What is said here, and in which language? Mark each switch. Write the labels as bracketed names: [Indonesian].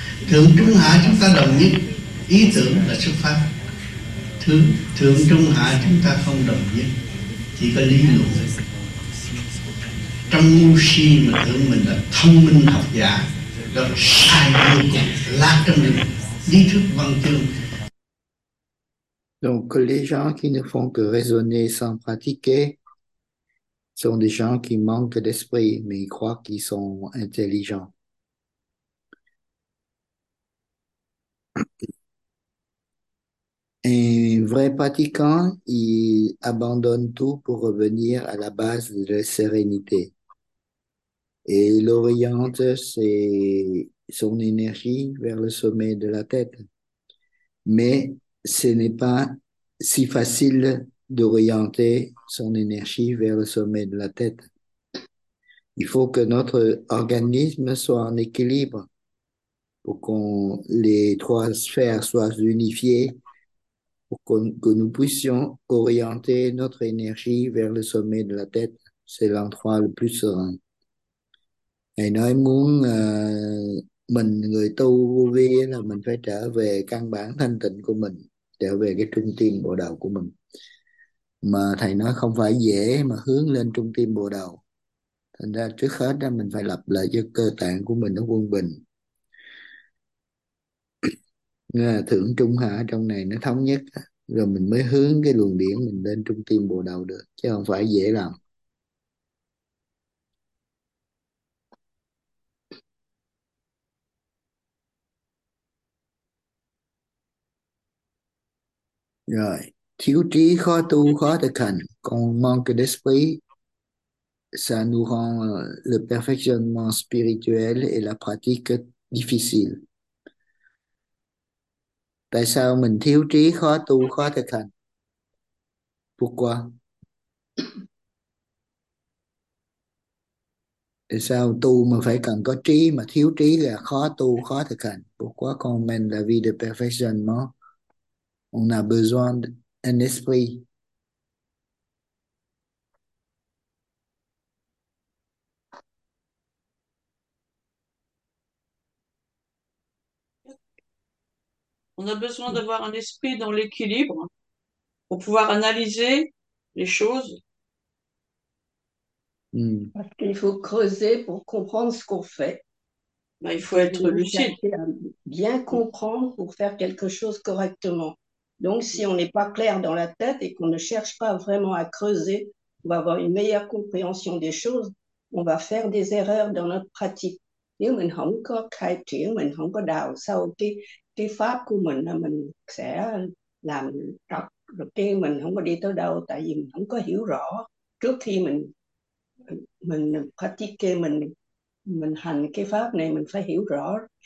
[Vietnamese] Thượng trung hạ chúng ta đồng nhất ý tưởng là xuất phát, thượng trung hạ chúng ta không đồng nhất, chỉ có lý luận. Trong ngu si mà tưởng mình là thông minh học giả, đó là sai vô cùng, lạc trong đường lý thuyết văn chương. [French] Donc, les gens qui ne font que raisonner sans pratiquer sont des gens qui manquent d'esprit, mais ils croient qu'ils sont intelligents. Un vrai pratiquant, il abandonne tout pour revenir à la base de la sérénité. Et il oriente son énergie vers le sommet de la tête. Mais ce n'est pas si facile d'orienter son énergie vers le sommet de la tête. Il faut que notre organisme soit en équilibre pour qu'on les trois sphères soient unifiées, pour que nous puissions orienter notre énergie vers le sommet de la tête. C'est l'endroit le plus serein. [Vietnamese] Et nói muốn mình người tu vô vi là mình phải trở về căn bản thanh tịnh của mình, trở về cái trung tâm bộ đầu của mình. Mà thầy nói không phải dễ mà hướng lên trung tâm bộ đầu. Thành ra trước hết là mình phải lập lại cho cơ tạng của mình nó quân bình. Thượng trung hạ trong này nó thống nhất, rồi mình mới hướng cái luồng điển mình lên trung tâm bộ đầu được, chứ không phải dễ làm. Rồi, thiếu trí khó tu khó thực hành, còn [French] manque d'esprit, ça nous rend le perfectionnement spirituel et la pratique difficile. [Vietnamese] Tại sao mình thiếu trí khó tu khó thực hành? [French] Pourquoi? [Vietnamese] Tại sao tu mà phải cần có trí mà thiếu trí là khó tu khó thực hành? [French] Pourquoi quand même la vie de perfectionnement? On a besoin d'un esprit. On a besoin d'avoir un esprit dans l'équilibre pour pouvoir analyser les choses. Parce qu'il faut creuser pour comprendre ce qu'on fait. Ben, il faut Il faut être toujours lucide. chercher à bien comprendre pour faire quelque chose correctement. Donc, si on n'est pas clair dans la tête et qu'on ne cherche pas vraiment à creuser pour avoir une meilleure compréhension des choses, on va faire des erreurs dans notre pratique. [Vietnamese] Nếu mình không có khai triển, mình không có đào sâu cái pháp của mình là mình sẽ làm trật, rồi kia mình không có đi tới đâu, tại vì mình không có hiểu rõ trước khi mình pratique, mình hành cái pháp này, mình phải hiểu rõ